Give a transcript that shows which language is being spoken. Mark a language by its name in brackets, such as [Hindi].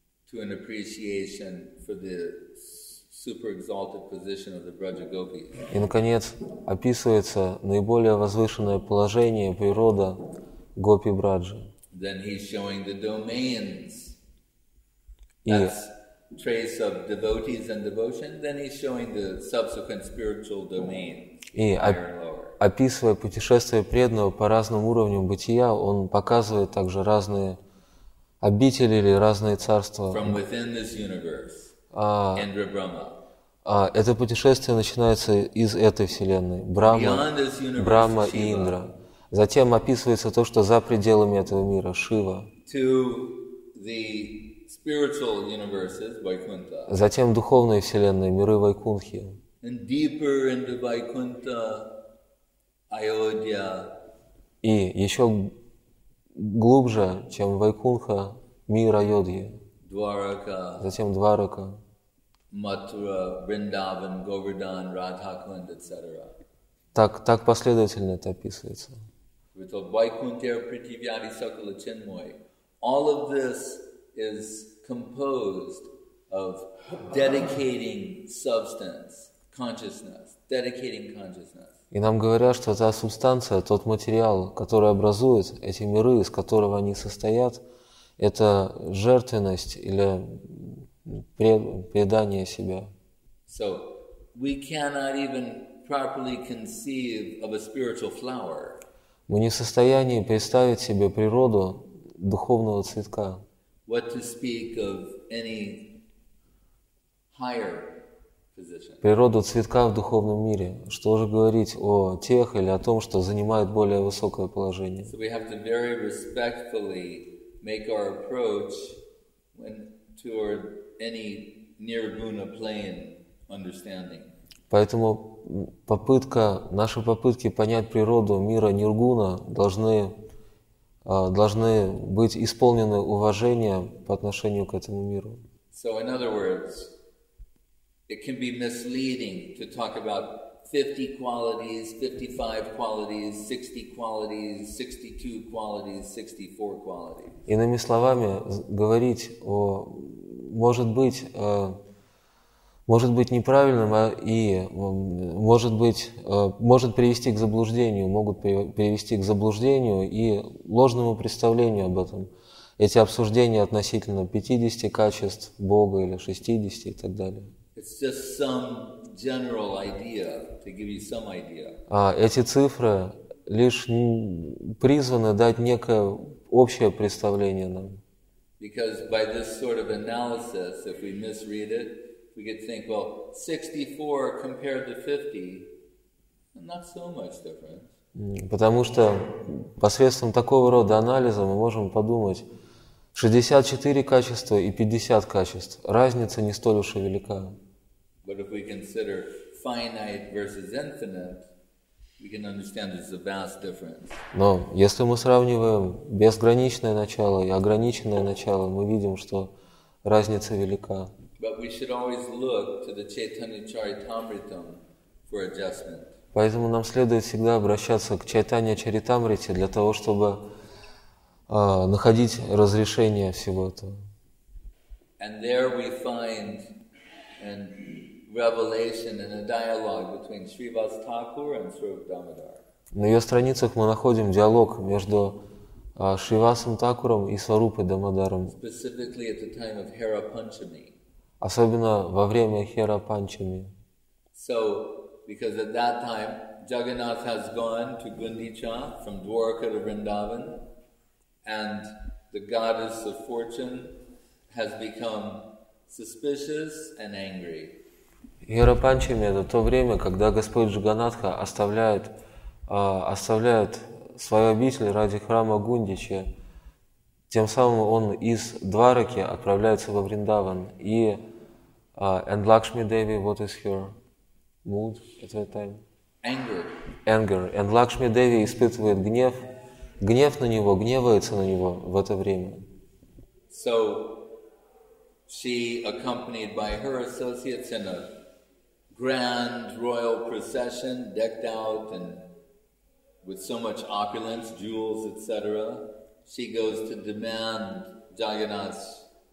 [English] to an appreciation for the super exalted position of the Braja Gopis. [Russian] И наконец описывается наиболее возвышенное положение природа Гопи Браджи. [English] Then he's showing the domains. Trace of devotees and devotion, then he's showing the subsequent spiritual domain. [Russian] И описывая путешествие преданного по разным уровням бытия, он показывает также разные обители или разные царства. [English] From within this universe, Indra Brahma. [Russian] Это путешествие начинается из этой вселенной, Брама, Брама и Индра. Затем описывается то, что за пределами этого мира, Шива. [English] To the spiritual universes, Vaikuntha. [Russian] Затем духовные вселенные, миры Вайкунхи. [English] And deeper into Vaikuntha, Ayodhya. [Russian] И еще глубже, чем Вайкунха, мир Айодхи. Дварака. Затем Дварака. Матура, Бриндаван, Говардан, Радхакунд, etc. Так последовательно это описывается. [Bangla] With Vaikunthar Prithivyadi Sakala Chinmoy. [English] All of this is composed of dedicating substance, consciousness, dedicating consciousness. [Russian] И нам говорят, что та субстанция, тот материал, который образует эти миры, из которого они состоят, это жертвенность или предание себя. [English] So we cannot even properly conceive of a spiritual flower. [Russian] Мы не в состоянии представить себе природу духовного цветка. [English] What to speak of any higher position. [Russian] Природу цветка в духовном мире. Что же говорить о тех или о том, что занимает более высокое положение? [English] So we have to very respectfully make our approach when toward any nirguna plane understanding. [Russian] Поэтому наши попытки понять природу мира Ниргуна должны быть исполнены уважения по отношению к этому миру. [English] So in other words, it can be misleading to talk about 50 qualities, 55 qualities, 60 qualities, 62 qualities, 64 qualities. [Russian] Иными словами, говорить о... Может быть неправильным, могут привести к заблуждению и ложному представлению об этом. Эти обсуждения относительно 50 качеств Бога или 60 и так далее. [English] It's just some general idea, to give you some idea. [Russian] Эти цифры лишь призваны дать некое общее представление нам. [English] Because by this sort of analysis, if we misread it, we could think, well, 64 compared to 50, not so much difference. [Russian] Потому что посредством такого рода анализа мы можем подумать, 64 качества и 50 качеств, разница не столь уж и велика. [English] But if we consider finite versus infinite, we can understand there's a vast difference. [Russian] Но если мы сравниваем безграничное начало и ограниченное начало, мы видим, что разница велика. [English] But we should always look to the Chaitanya Charitamritam for adjustment. [Russian] Поэтому нам следует всегда обращаться к Чайтанья Чаритамрите для того, чтобы находить разрешение всего этого. [English] And there we find a revelation and a dialogue between Srivas Thakur and Swarup Damodar. [Russian] На ее страницах мы находим диалог между Шривасом Такуром и Сварупой Дамодаром. [English] Specifically at the time of Hara Panchami. [Russian] Особенно во время Хера Панчами. [English] So, because at that time Jagannath has gone to Gundicha from Dwarka to Vrindavan, and the goddess of fortune has become suspicious and angry. [Russian] Хера Панчами — это то время, когда Господь Джаганнатха оставляет свою обитель ради храма Гундичи. Тем самым он из Двараки отправляется во Вриндаван. И [English] and Lakshmi Devi, what is her mood at that time? Anger. Anger. And [Russian] Lakshmi Devi испытывает гнев. Гнев на него, гневается на него в это время. [English] So, she accompanied by her associates in a grand royal procession, decked out and with so much opulence, jewels, etc. She goes to demand Jagannath's